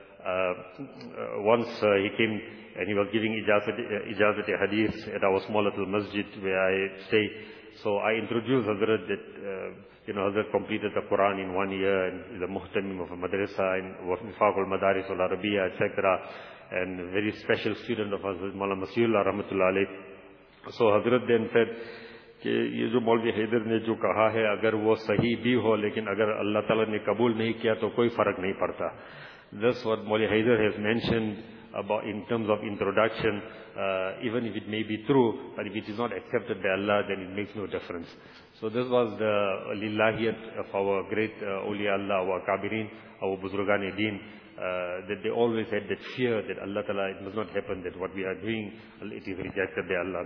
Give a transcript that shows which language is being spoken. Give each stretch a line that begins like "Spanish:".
English: Once he came and he was giving ijazat hadith at our small little masjid where I stay. So I introduced Hazrat that, you know, Hazrat completed the Quran in 1 year and is a muhtamim of a madrasa and was Mifakul Madaris al Arabiya, etc. And a very special student of Hazrat Maulana Masihullah Rahmatullah Alayh. So Hazrat then said,
Urdu: کہ یہ جو مولوی حیدر نے جو کہا ہے اگر وہ صحیح بھی ہو لیکن اگر اللہ تعالیٰ نے قبول نہیں کیا تو کوئی فرق نہیں پڑتا.
English: This what Maulvi Haider has mentioned about in terms of introduction, even if it may be true, but if it is not accepted by Allah, then it makes no difference. So this was the lillahiyat of our great awliya Allah, our kabirin, our buzrugani deen, that they always had that fear that Allah Ta'ala, it must not happen that what we are doing, it is rejected by Allah.